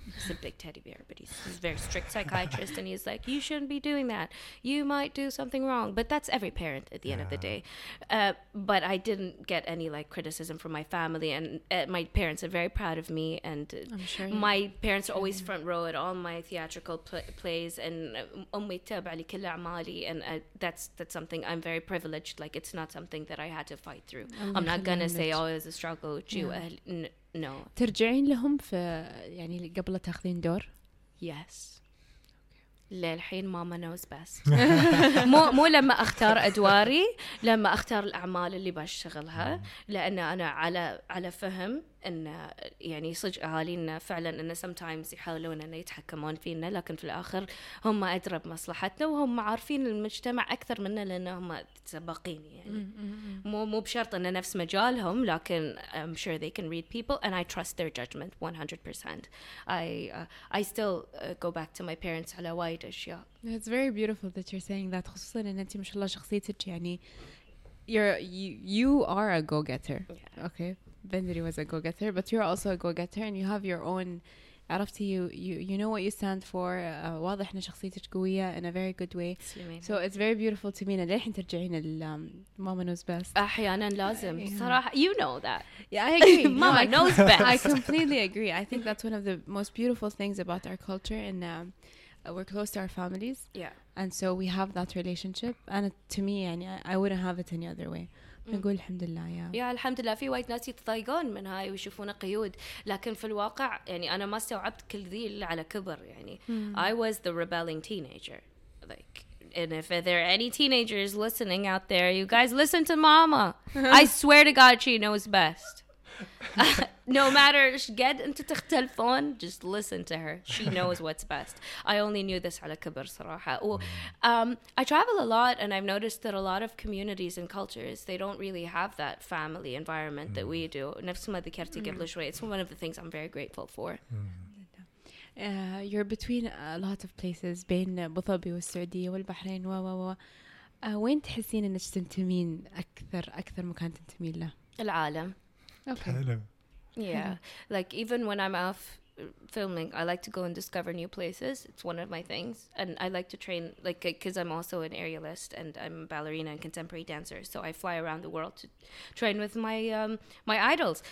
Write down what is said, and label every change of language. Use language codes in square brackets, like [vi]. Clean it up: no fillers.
[en] He's a big teddy bear, but he's a very strict psychiatrist. And he's like, you shouldn't be doing that. You might do something wrong. But that's every parent at the end of the day. But I didn't get any like criticism from my family. And my parents are very proud of me. And parents are always front row at all my theatrical plays. And [ar] أمي تابع لي كل أعمالي. [en] And that's something I'm very privileged. Like, it's not something that I had to fight through. I'm not going to say, oh, it's a struggle with you. No. [ar] ترجعين لهم في يعني قبل تاخذين دور؟ [en] Yes. [ar] للحين ماما [en] knows best. [ar] مو لما اختار ادواري, لما اختار الاعمال اللي بشتغلها, لان انا على فهم ان يعني صدق اهالينا فعلا ان sometimes يحاولون ان يتحكمون فينا, لكن في الاخر هم ادرى بمصلحتنا وهم عارفين المجتمع اكثر منا لان هم سابقين يعني. مو بشرط ان نفس مجالهم, لكن [en] I'm sure they can read people and I trust their judgment 100%. I still go back to my parents [ar] على وايد اشياء. [en] It's very beautiful that you're saying that, [ar] خصوصا ان انت ما شاء الله شخصيتك يعني [en] you are a go getter. Yeah. Okay. Bendri was a go-getter, but you're also a go-getter and you have your own, عرفتي, you know what you stand for, [ar] واضح ان شخصيتك قويه [en] in a very good way. So it's very beautiful to me. And [ar] للحين ترجعين ماما [en] knows best [ar] احيانا لازم صراحه, [en] you know that. Yeah, I agree. Mama knows best. I completely agree. I think that's one of the most beautiful things about our culture, and we're close to our families. Yeah. And so we have that relationship, and to me, يعني, I wouldn't have it any other way. [ar] نقول الحمد لله. يا الحمد لله. في وايد ناس يتضايقون من هاي ويشوفونه قيود, لكن في الواقع يعني أنا ما استوعبت كل ذي على كبر يعني. [en] I was the rebelling teenager, like, and if there are any teenagers listening out there, you guys listen to mama. I swear to God, she knows best. No matter [ar] قد أنت تختلفون, [en] just listen to her. She knows what's best. I only knew this [ar] على كبر صراحة. [en] I travel a lot and I've noticed that a lot of communities and cultures, they don't really have that family environment that we do. [ar] نفس ما ذكرتي قبل شوي, [en] it's one of the things I'm very grateful for. You're between a lot of places, [ar] بين أبو ظبي والسعودية والبحرين و. وين تحسين أنك تنتمين أكثر مكان تنتمين له؟ العالم. [en] Okay. Yeah, like even when I'm off filming, I like to go and discover new places. It's one of my things. And I like to train, like, because I'm also an aerialist and I'm a ballerina and contemporary dancer. So I fly around the world to train with my my idols.